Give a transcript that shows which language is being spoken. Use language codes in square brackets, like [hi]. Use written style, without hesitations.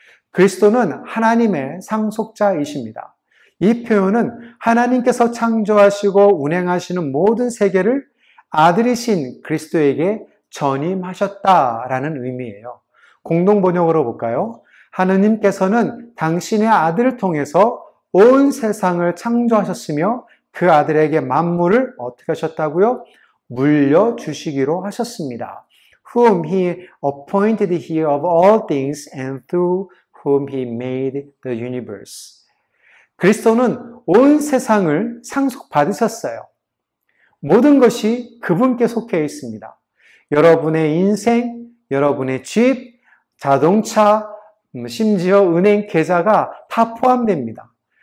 [ko] 그리스도는 하나님의 상속자이십니다. 이 표현은 하나님께서 창조하시고 운행하시는 모든 세계를 아들이신 그리스도에게 전임하셨다라는 의미예요. 공동 번역으로 볼까요? 하느님께서는 당신의 아들을 통해서 온 세상을 창조하셨으며 그 아들에게 만물을 어떻게 하셨다고요? 물려주시기로 하셨습니다. [en] Whom he appointed here of all things and through whom he made the universe. [ko] 그리스도는 온 세상을 상속받으셨어요. 모든 것이 그분께 속해 있습니다. 여러분의 인생, 여러분의 집, 자동차, 심지어 은행 계좌가 다 포함됩니다.